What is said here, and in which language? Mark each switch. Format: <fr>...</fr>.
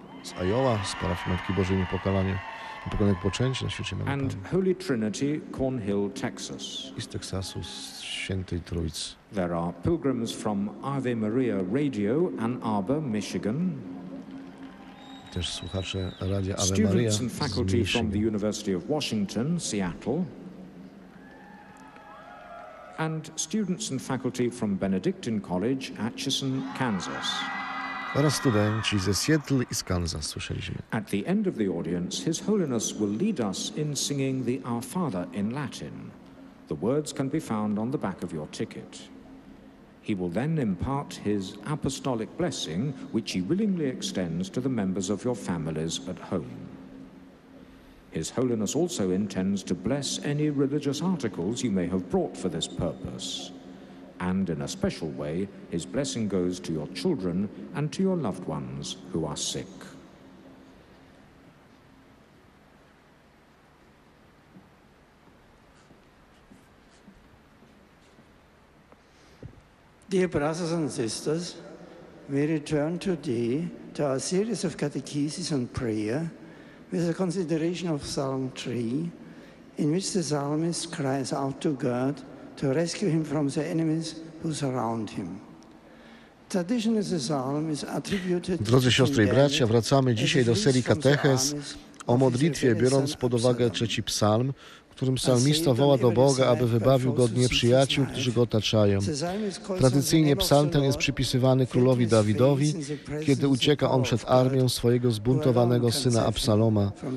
<pl>z Iowa, z parafii Matki Bożej Niepokalanej Poczęcia na świecie</pl> <en>Mamy and Pana. Holy Trinity, Cornhill, Texas.</en> <pl>I z Teksasu, z Świętej Trójcy.</pl> <en>There are pilgrims from Ave Maria Radio, Ann Arbor, Michigan.</en> <pl>Też słuchacze Radia Ave Maria</pl> <en>students and faculty</en> <pl>z Michigan.</pl> <en>From the University of Washington, Seattle. And students and faculty from Benedictine College, Atchison, Kansas.</en> <pl>Oraz studenci ze Seattle i z Kansas, słyszeliśmy.</pl> <en>At the end of the audience, His Holiness will lead us in singing the Our Father in Latin. The words can be found on the back of your ticket. He will then impart his apostolic blessing, which he willingly extends to the members of your families at home. His Holiness also intends to bless any religious articles you may have brought for this purpose. And in a special way, his blessing goes to your children and to your loved ones who are sick. Dear brothers and sisters, we return today to our series of catechesis on prayer with a consideration of Psalm 3, in which the psalmist cries out to God to rescue him from the enemies who surround him. Traditionally, the psalm is attributed.</en> <pl>Drodzy siostry i bracia, wracamy dzisiaj do serii kateches o modlitwie, biorąc pod uwagę trzeci psalm, w którym psalmista woła do Boga, aby wybawił go od nieprzyjaciół, którzy go otaczają. Tradycyjnie psalm ten jest przypisywany królowi Dawidowi, kiedy ucieka on przed armią swojego zbuntowanego syna Absaloma.</pl>